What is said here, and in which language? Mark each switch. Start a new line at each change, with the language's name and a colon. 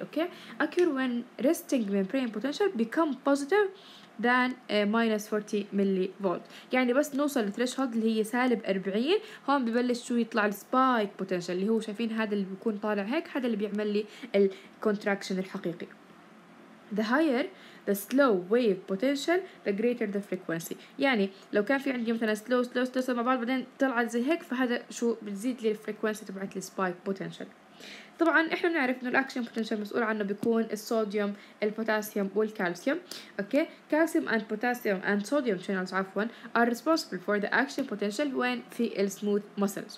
English: okay, occur when resting membrane potential become positive than minus 40
Arabic: ملي فولت. يعني بس نوصل للثريشولد اللي هي سالب 40، هون ببلش شو يطلع spike potential اللي هو شايفين هذا اللي بيكون طالع هيك، هذا اللي بيعمل لي contraction الحقيقي.
English: The higher the slow wave potential, the greater the frequency.
Arabic: يعني لو كان في عندي مثلا slow slow slow مع بعض بعدين طلعت زي هيك، فهذا شو بتزيد لي الفريكوانسي تبعت لي spike potential. طبعا احنا بنعرف انه الاكشن بوتنشال مسؤول عنه بيكون الصوديوم البوتاسيوم والكالسيوم.
English: Okay, calcium and potassium and sodium channels عفوا are responsible for the action potential when في السموث muscles.